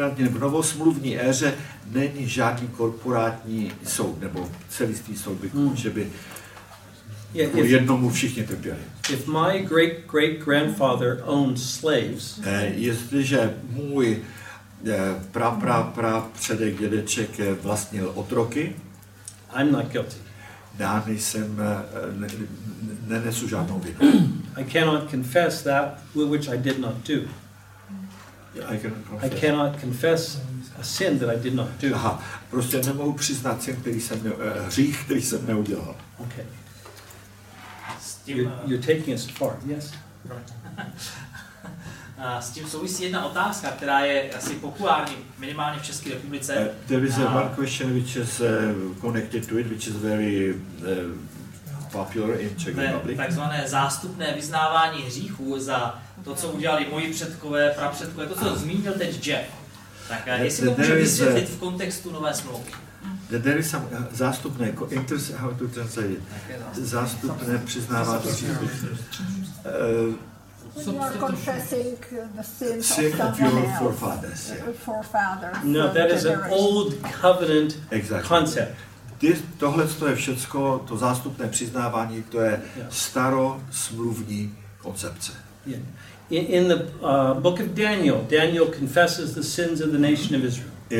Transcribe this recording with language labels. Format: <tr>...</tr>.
<cs>V novosmluvní éře není žádný korporátní soud nebo celistvý soud, že by jednomu všichni trpěli.</cs> <en>If my great grandfather owned slaves.</en> <cs>Jestliže můj pradědeček dědeček vlastnil otroky.</cs> <en>I'm not guilty.</en> <cs>Já nejsem, nenesu žádnou vinu.</cs> <en>I cannot confess that which I did not do. I cannot confess a sin that I did not do.</en> <cs>Aha, prostě nemohu přiznat sin, hřích, který jsem neudělal.</cs> <en>Okay. You're taking us far, yes?</en> <cs>S tím souvisí jedna otázka, která je asi populární minimálně v České republice.</cs> <en>There is one question which is connected to it, which is very popular in Czech Republic.</en> <cs>Takzvané zástupné vyznávání hříchů za to, co udělali moji předkové, prapředkové, to, co zmínil teď Jeff. Tak jestli to může vysvětlit v kontextu nové smlouvy.</cs> <en>There is some zástupné, interest, how to translate it?</en> <cs>Zástupné přiznává to příběh.</cs> <en>You are confessing the sins of your forefathers. Yeah. No, that is an old covenant concept.</en> <cs>Tohle to je všecko, to zástupné přiznávání, to je starosmluvní koncepce.</cs> <en>In the book of Daniel, Daniel confesses the sins of the nation of Israel.</en>